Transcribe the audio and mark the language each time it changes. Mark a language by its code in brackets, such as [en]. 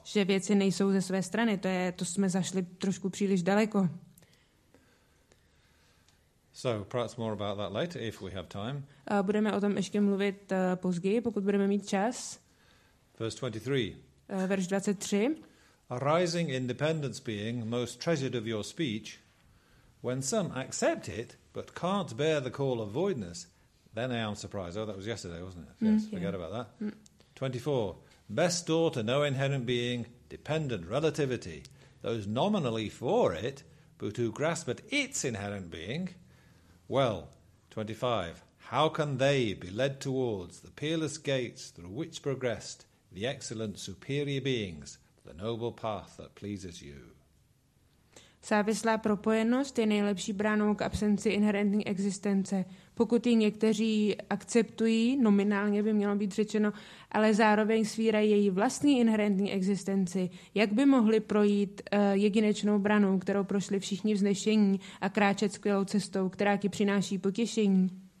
[cs] Že věci nejsou ze své strany, to jsme zašli trošku příliš daleko. [en] So, perhaps more about that later if we have time. [cs] Budeme o tom ještě mluvit později, pokud budeme mít čas. [en] Verse 23. [cs] Verš 23. [en] Arising independence being most treasured of your speech, when some accept it but can't bear the call of voidness, then I am surprised. Oh, that was yesterday, wasn't it? Yes, forget about that. 24. Best door to no inherent being, dependent relativity. Those nominally for it, but who grasp at its inherent being. Well, 25. How can they be led towards the peerless gates through which progressed the excellent superior beings, the noble path that pleases you? [cs] Závislá propojenost je nejlepší bránou k absenci inherentní existence. Pokud ji někteří akceptují, nominálně by mělo být řečeno, ale zároveň svírají její vlastní inherentní existenci, jak by mohli projít jedinečnou branou, kterou prošli všichni vznešení a kráčet skvělou cestou, která ti přináší potěšení?